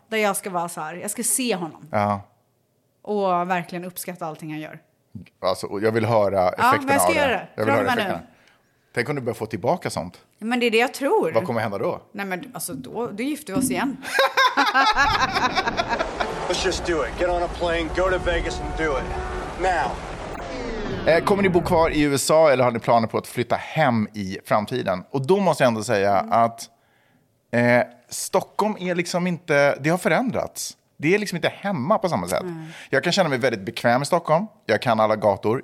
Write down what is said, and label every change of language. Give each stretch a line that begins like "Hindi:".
Swedish: Där jag ska vara så här, jag ska se honom. Ja. Och verkligen uppskatta allting han gör. Alltså, jag vill höra effekterna av det. Ja, men jag ska göra det. Jag vill höra. Tänk om du börjar få tillbaka sånt. Men det är det jag tror. Vad kommer hända då? Nej, men alltså, då gifter vi oss igen.
English: Let's just do it. Get on a plane, go to Vegas and do it. Now.
Swedish: Kommer ni bo kvar i USA eller har ni planer på att flytta hem i framtiden? Och då måste jag ändå säga att Stockholm är liksom inte, det har förändrats. Det är liksom inte hemma på samma sätt. Jag kan känna mig väldigt bekväm i Stockholm. Jag kan alla gator.